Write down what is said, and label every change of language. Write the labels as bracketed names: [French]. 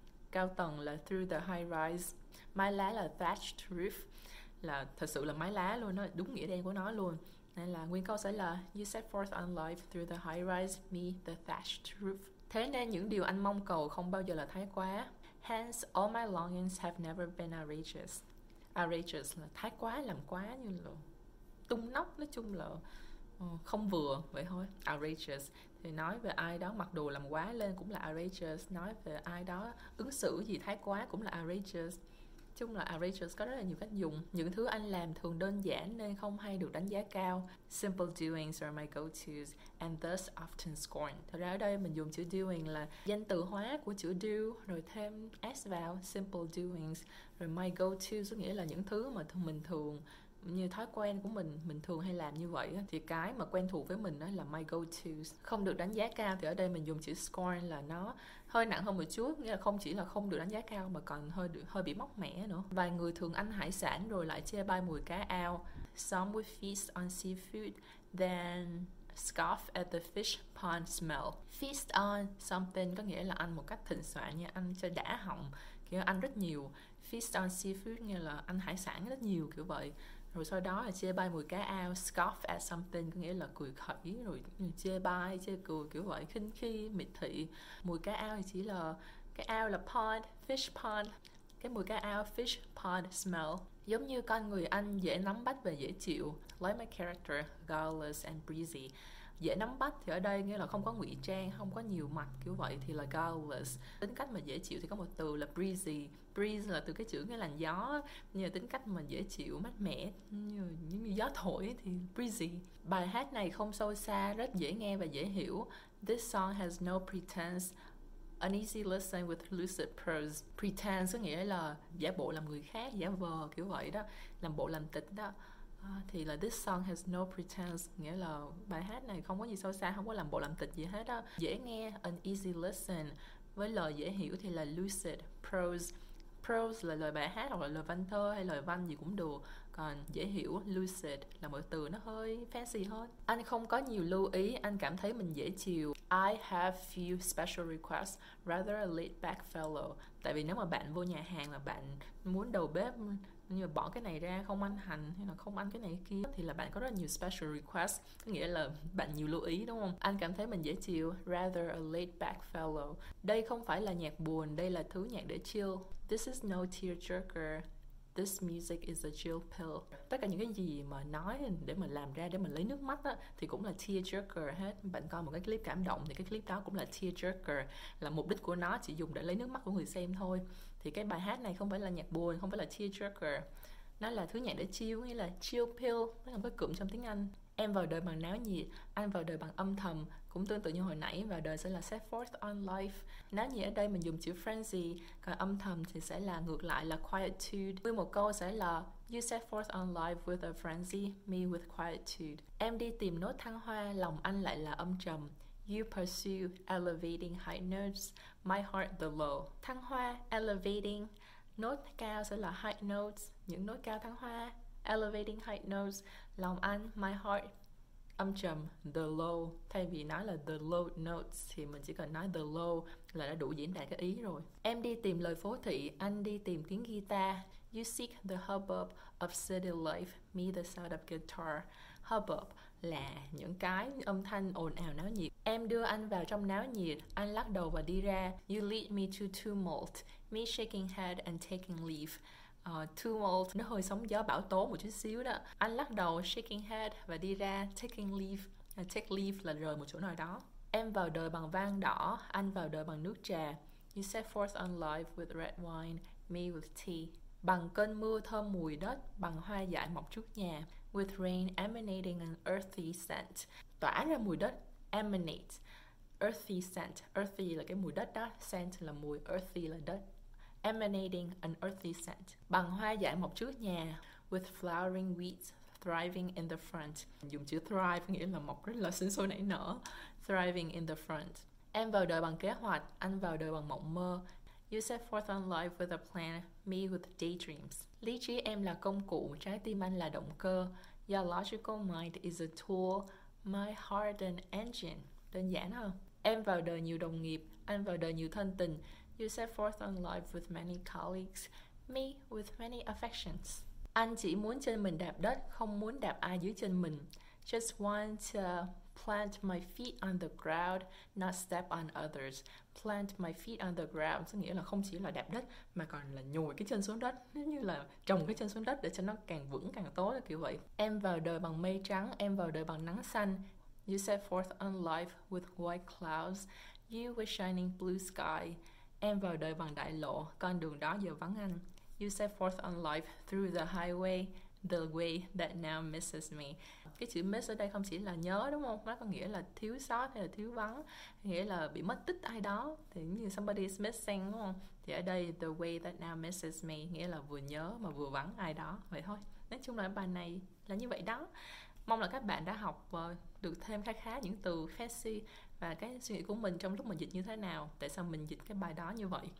[Vietnamese] Cao tầng là [English] through the high rise. [Vietnamese] Mái lá là [English] thatched roof, [Vietnamese] là thật sự là mái lá luôn đó, đúng nghĩa đen của nó luôn. Nên là nguyên câu sẽ là [English] You set forth on life through the high rise, me the thatched roof. [Vietnamese] Thế nên những điều anh mong cầu không bao giờ là thái quá. [English] Hence all my longings have never been outrageous. [Vietnamese] Outrageous là thái quá, làm quá, như là tung nóc, nói chung là không vừa vậy thôi. Outrageous thì nói về ai đó mặc đồ làm quá lên cũng là outrageous, nói về ai đó ứng xử gì thái quá cũng là outrageous. Chung là outrageous có rất là nhiều cách dùng. Những thứ anh làm thường đơn giản nên không hay được đánh giá cao. [English] Simple doings are my go-tos and thus often scorned. [Vietnamese] Thật ra ở đây mình dùng chữ doing là danh từ hóa của chữ do rồi thêm s vào, [English] simple doings. [Vietnamese] Rồi [English] my go-tos [Vietnamese] có nghĩa là những thứ mà mình thường, như thói quen của mình thường hay làm như vậy, thì cái mà quen thuộc với mình đó là my go to. Không được đánh giá cao thì ở đây mình dùng chữ scorn là nó hơi nặng hơn một chút, nghĩa là không chỉ là không được đánh giá cao mà còn hơi bị móc mẻ nữa. Vài người thường ăn hải sản rồi lại chê bai mùi cá ao. [English] Some would feast on seafood then scoff at the fish pond smell. [Vietnamese] Feast on something có nghĩa là ăn một cách thịnh soạn, như ăn cho đã họng, kiểu ăn rất nhiều. [English] Feast on seafood [Vietnamese] nghĩa là ăn hải sản rất nhiều kiểu vậy. Rồi sau đó là chê bai mùi cá ao. [English] Scoff at something [Vietnamese] có nghĩa là cười khẩy, rồi chê bai, chê cười kiểu vậy, khinh khi, miệt thị. Mùi cá ao thì chỉ là, cái ao là pond, fish pond. Cái mùi cá ao, [English] fish pond smell. [Vietnamese] Giống như con người anh dễ nắm bắt và dễ chịu. [English] Like my character, guileless and breezy. [Vietnamese] dễ nắm bắt thì ở đây nghĩa là không có ngụy trang, không có nhiều mặt kiểu vậy, thì là guileless. Tính cách mà dễ chịu thì có một từ là breezy. Breeze là từ cái chữ nghĩa là gió, như là tính cách mà dễ chịu, mát mẻ, như gió thổi thì breezy. Bài hát này không sâu xa, rất dễ nghe và dễ hiểu. [English] This song has no pretense, an easy listen with lucid prose. [Vietnamese] Pretense có nghĩa là giả bộ làm người khác, giả vờ kiểu vậy đó, làm bộ làm tịch đó. À, thì là [English] this song has no pretense, [Vietnamese] nghĩa là bài hát này không có gì sâu xa, không có làm bộ làm tịch gì hết đó. Dễ nghe, [English] an easy listen, [Vietnamese] với lời dễ hiểu thì là [English] lucid prose. [Vietnamese] Prose là lời bài hát hoặc là lời văn thơ hay lời văn gì cũng được. Còn dễ hiểu, lucid là một từ nó hơi fancy hơn. Anh không có nhiều lưu ý, anh cảm thấy mình dễ chịu. [English] I have few special requests, rather a laid back fellow. [Vietnamese] Tại vì nếu mà bạn vô nhà hàng là bạn muốn đầu bếp nhưng mà bỏ cái này ra, không ăn hành hay là không ăn cái này cái kia, thì là bạn có rất nhiều special request, có nghĩa là bạn nhiều lưu ý đúng không? Anh cảm thấy mình dễ chịu, [English] rather a laid back fellow. [Vietnamese] Đây không phải là nhạc buồn, đây là thứ nhạc để chill. [English] This is no tear jerker, this music is a chill pill. [Vietnamese] Tất cả những cái gì mà nói để mà làm ra, để mà lấy nước mắt á, thì cũng là tear jerker hết. Bạn coi một cái clip cảm động thì cái clip đó cũng là tear jerker, là mục đích của nó chỉ dùng để lấy nước mắt của người xem thôi. Thì cái bài hát này không phải là nhạc buồn, không phải là tear jerker, nó là thứ nhạc để chill, nghĩa là chill pill. Nó là một cái cụm trong tiếng Anh. Em vào đời bằng náo nhiệt, anh vào đời bằng âm thầm, cũng tương tự như hồi nãy, vào đời sẽ là set forth on life. Náo nhiệt ở đây mình dùng chữ frenzy, còn âm thầm thì sẽ là ngược lại là quietude. Nguyên một câu sẽ là [English] you set forth on life with a frenzy, me with quietude. [Vietnamese] Em đi tìm nốt thăng hoa, lòng anh lại là âm trầm. [English] You pursue elevating high notes, my heart the low. [Vietnamese] Thăng hoa, elevating, nốt cao sẽ là [English] high notes, [Vietnamese] những nốt cao thăng hoa. [English] Elevating high notes, [Vietnamese] lòng anh, [English] my heart, [Vietnamese] âm trầm, [English] the low. [Vietnamese] Thay vì nói là the low notes thì mình chỉ cần nói the low là đã đủ diễn đạt cái ý rồi. Em đi tìm lời phố thị, anh đi tìm tiếng guitar. [English] You seek the hubbub of city life, me the sound of guitar. [Vietnamese] Hubbub là những cái âm thanh ồn ào náo nhiệt. Em đưa anh vào trong náo nhiệt, anh lắc đầu và đi ra. [English] You lead me to tumult, me shaking head and taking leave. [Vietnamese] Tumult nó hơi sóng gió bão tố một chút xíu đó. Anh lắc đầu, [English] shaking head [Vietnamese] và đi ra, [English] taking leave. [Vietnamese] Take leave là rời một chỗ nào đó. Em vào đời bằng vang đỏ, anh vào đời bằng nước trà. [English] You set forth on life with red wine, me with tea. [Vietnamese] Bằng cơn mưa thơm mùi đất, bằng hoa dại mọc trước nhà. [English] With rain emanating an earthy scent, [Vietnamese] tỏa ra mùi đất, [English] emanate. [Vietnamese] Earthy scent, earthy là cái mùi đất đó, scent là mùi, earthy là đất. [English] Emanating an earthy scent, [Vietnamese] bằng hoa dại mọc trước nhà. [English] With flowering wheat thriving in the front, [Vietnamese] dùng chữ thrive nghĩa là mọc rất là sinh sôi nảy nở. [English] Thriving in the front. [Vietnamese] Em vào đời bằng kế hoạch, anh vào đời bằng mộng mơ. [English] You set forth on life with a plan, me with daydreams. [Vietnamese] Lý trí em là công cụ, trái tim anh là động cơ. [English] Your logical mind is a tool, my heart an engine. [Vietnamese] Đơn giản không? Em vào đời nhiều đồng nghiệp, anh vào đời nhiều thân tình. [English] You set forth on life with many colleagues, me with many affections. [Vietnamese] Anh chỉ muốn chân mình đạp đất, không muốn đạp ai dưới chân mình. [English] Just want to plant my feet on the ground, not step on others. Plant my feet on the ground [Vietnamese] có nghĩa là không chỉ là đạp đất mà còn là nhồi cái chân xuống đất, như là trồng cái chân xuống đất để cho nó càng vững càng tốt là kiểu vậy. Em vào đời bằng mây trắng, em vào đời bằng nắng xanh. [English] You set forth on life with white clouds, you with shining blue sky. [Vietnamese] Em vào đời bằng đại lộ, con đường đó giờ vắng anh. [English] You set forth on life through the highway, the way that now misses me. [Vietnamese] Cái chữ miss ở đây không chỉ là nhớ đúng không? Nó có nghĩa là thiếu sót hay là thiếu vắng, nghĩa là bị mất tích ai đó, thì như [English] somebody is missing [Vietnamese] đúng không? Thì ở đây [English] the way that now misses me [Vietnamese] nghĩa là vừa nhớ mà vừa vắng ai đó vậy thôi. Nói chung là bài này là như vậy đó. Mong là các bạn đã học được thêm khá khá những từ fancy và cái suy nghĩ của mình trong lúc mình dịch như thế nào, tại sao mình dịch cái bài đó như vậy.